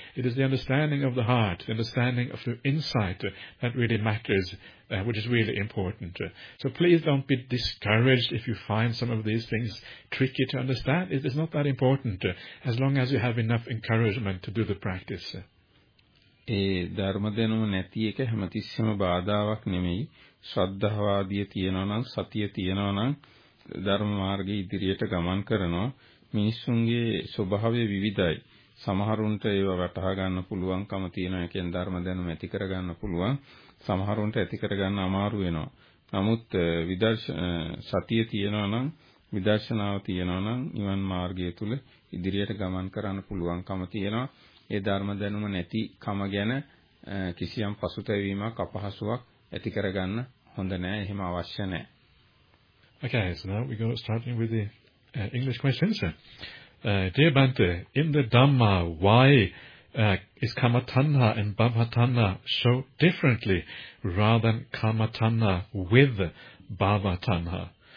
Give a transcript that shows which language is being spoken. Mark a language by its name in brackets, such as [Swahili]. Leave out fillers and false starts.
[Sinhala] It is the understanding of the heart, the understanding of the insight that really matters, which is really important. So please don't be discouraged if you find some of these things tricky to understand. It is not that important, as long as you have enough encouragement to do the practice. ඒ ධර්ම දෙනුම නැති එක හැමතිස්සම බාධාවක් නෙමෙයි. ශ්‍රද්ධාවාදී තියනවා නම්, සතිය තියනවා නම් ධර්ම මාර්ගයේ ඉදිරියට ගමන් කරනවා. මිනිසුන්ගේ ස්වභාවය විවිධයි. සමහරුන්ට ඒව වටහා ගන්න පුළුවන්කම තියෙනවා. ඒකෙන් ධර්ම දෙනුම ඇති කර ගන්න පුළුවන්. සමහරුන්ට ඇති කර ගන්න අමාරු වෙනවා. නමුත් සතිය තියනවා නම්, විදර්ශනාව තියනවා නම් නිවන් මාර්ගය තුල ඉදිරියට ගමන් කරන්න පුළුවන්කම තියෙනවා. ඒ ධර්ම දැනුම නැති කම ගැන කිසියම් පසුතැවීමක් අපහසුවක් ඇති කරගන්න හොඳ නෑ. එහෙම අවශ්‍ය නෑ. [English] Okay, so now we go starting with the English questions. Dear Bhante, in the Dhamma, why is Kamatanna and Bhavatanna so differently rather than Kamatanna with Bhavatanna?